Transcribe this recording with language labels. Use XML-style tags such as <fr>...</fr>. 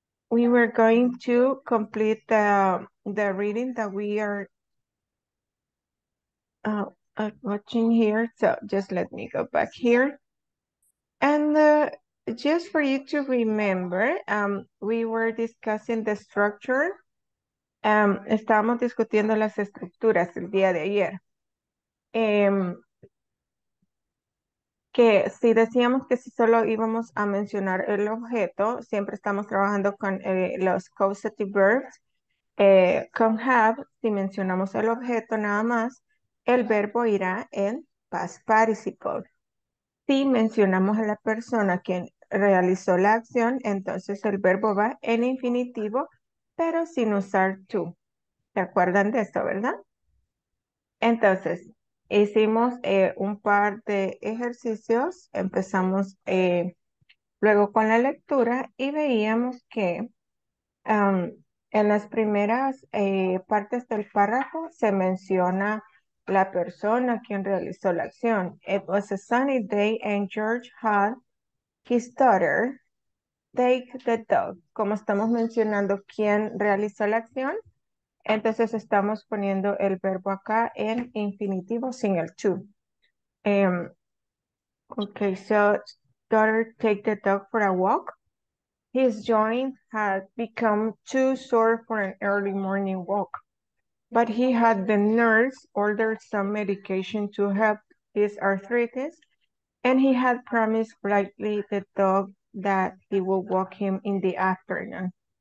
<en>We were going to complete the reading that we are watching here. So just let me go back here. And just for you to remember, we were discussing the structure.</en> <es>Estábamos discutiendo las estructuras el día de ayer. Que si decíamos que si solo íbamos a mencionar el objeto, siempre estamos trabajando con los causative verbs, con have, si mencionamos el objeto nada más, el verbo irá en past participle. Si mencionamos a la persona quien realizó la acción, entonces el verbo va en infinitivo, pero sin usar to. ¿Se acuerdan de esto, verdad? Entonces, hicimos un par de ejercicios, empezamos luego con la lectura y veíamos que en las primeras partes del párrafo se menciona la persona quien realizó la acción.</es> <en>It was a sunny day and George had his daughter take the dog.</en> <es>Como estamos mencionando quién realizó la acción, entonces estamos poniendo el verbo acá en infinitivo sin el to.</es> <en>Okay, so daughter take the dog for a walk. His joint had become too sore for an early morning walk, but he had the nurse order some medication to help his arthritis, and he had promised brightly the dog that he will walk him in the afternoon.</en>